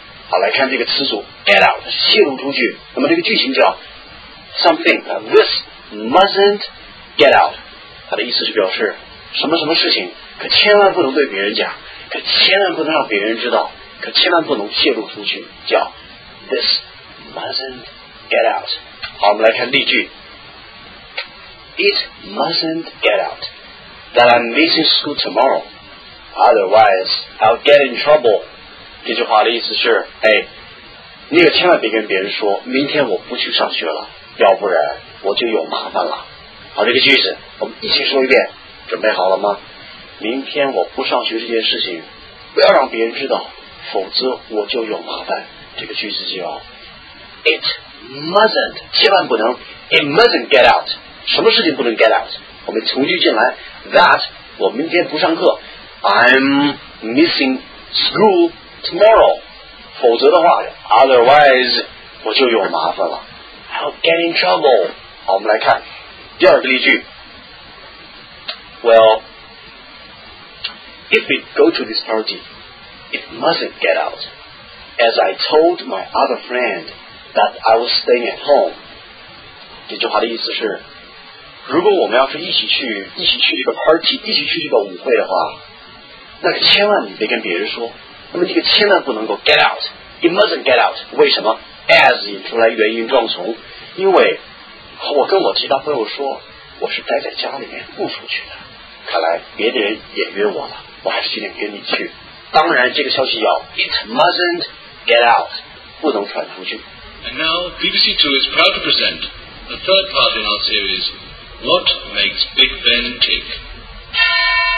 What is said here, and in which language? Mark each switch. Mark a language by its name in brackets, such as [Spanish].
[Chinese] 好，来看这个词组 get out 泄露出去。那么这个句型叫 [English] something this mustn't get out， [Chinese] 它的意思是表示什么什么事情可千万不能对别人讲，可千万不能让别人知道，可千万不能泄露出去，叫 [English] this mustn't get out。 [Chinese] 好，我们来看例句。 [English] It mustn't get out that I'm missing school tomorrow otherwise I'll get in trouble。 [Chinese] 这句话的意思是，哎，你可千万别跟别人说，明天我不去上学了，要不然我就有麻烦了。好，这个句子我们一起说一遍，准备好了吗？明天我不上学这件事情，不要让别人知道，否则我就有麻烦。这个句子叫 It mustn't， 千万不能 [English] It mustn't get out， [Chinese] 什么事情不能 get out？我们从句进来 That 我明天不上课 [English] I'm missing schoolTomorrow， [Chinese] 否则的话 ，otherwise 我就有麻烦了。 [English] I'll get in trouble。 [Chinese] 好，我们来看第二个例句。 [English] Well, if we go to this party, it mustn't get out. As I told my other friend that I was staying at home。 [Chinese] 这句话的意思是，如果我们要是一起去这个 party， 一起去这个舞会的话，那可千万你别跟别人说。那么这个千万不能够 get out， [English] it mustn't get out， [Chinese] 为什么？ as 引出来原因状从，因为我跟我其他朋友说我是待在家里面不出去的，看来别的人也约我了，我还是今天跟你去。当然这个消息要 [English] it mustn't get out. [Chinese] 不能传出去. [English] And now BBC Two is proud to present the third part in our series, What Makes Big Ben Tick?